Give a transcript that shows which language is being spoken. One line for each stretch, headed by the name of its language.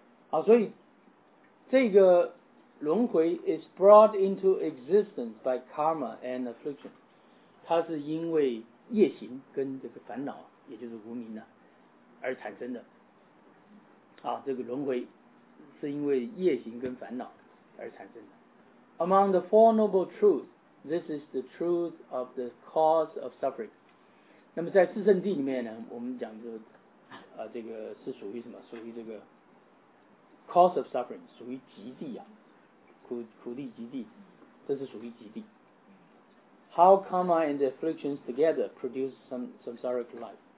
Chinese: 好，所以这个轮回
English: is brought into existence by karma and affliction，
Chinese: 它是因为业行跟这个烦恼，也就是无明啊，而产生的。啊，这个轮回是因为业行跟烦恼而产生的。
English: Among the four noble truths, this is the truth of the cause of suffering.
Chinese: 那么在四圣谛里面呢，我们讲就啊，这个是属于什么？属于这个
English: cause of suffering，
Chinese: 属于极地啊，苦地极地，这是属于极地。
English: How karma and afflictions together produce some samsaric life？